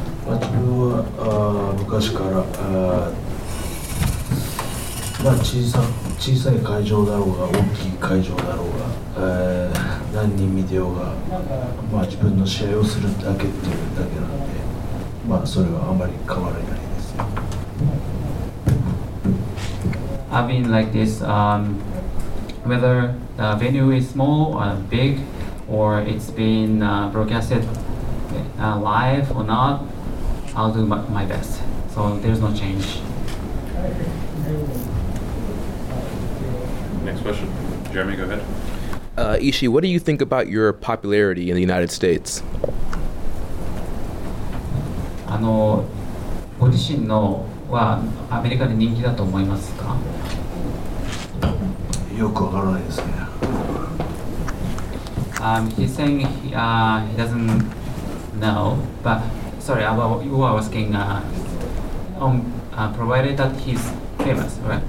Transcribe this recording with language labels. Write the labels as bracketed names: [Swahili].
[Japanese] まあ、自分は昔から、まあ、小さい会場だろうが大きい会場だろうが、何人見てようが、まあ、自分の試合をするだけっていうだけなので、まあ、それはあまり変わらないですよ。 [English] I've been like this. Whether the venue is small or big, or it's been broadcasted live or not, I'll do my best. So there's no change. Next question. Jeremy, go ahead. Ishii, what do you think about your popularity in the United States? [Japanese] あの、ご自身のはアメリカで人気だと思いますか？ [English] He's saying he doesn't know, but sorry, you were asking, provided that he's famous, right?